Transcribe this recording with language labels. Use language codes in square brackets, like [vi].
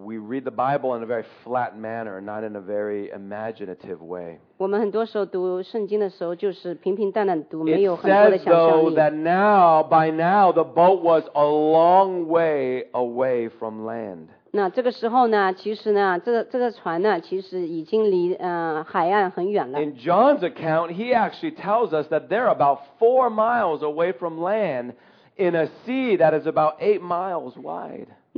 [en] We read the Bible in a very flat manner, not in a very imaginative way. [zh] 我们很多时候读圣经的时候就是平平淡淡读，没有很多的想象力。 [en] It says though that now, by now, the boat was a long way away from land. [zh] 那这个时候呢，其实呢，这个船呢，其实已经离海岸很远了。 [en] In John's account, he actually tells us that they're about 4 miles away from land, in a sea that is about 8 miles wide.